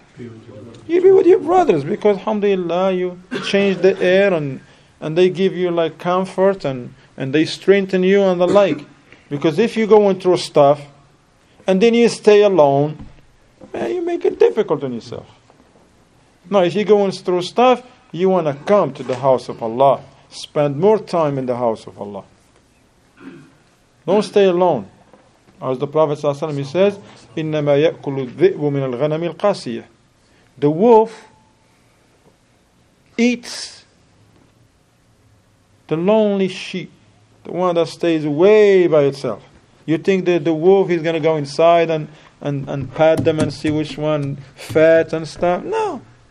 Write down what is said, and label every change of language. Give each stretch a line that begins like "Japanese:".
English: You be with your brothers, because alhamdulillah, you change the air and they give you like comfort and they strengthen you and the like. Because if you're going through stuff and then you stay alone, man, you make it difficult on yourself. No, if you're going through stuff, you want to come to the house of Allah. Spend more time in the house of Allah. Don't stay alone. As the Prophet ﷺ, he says,
Arabic: إِنَّمَا يَأْكُلُ الذِّئْبُ مِنَ الْغَنَمِ الْقَاسِيَةِ.
English: The wolf eats the lonely sheep, the one that stays way by itself. You think that the wolf is going to go inside and pat them and see which one fat and stuff? No.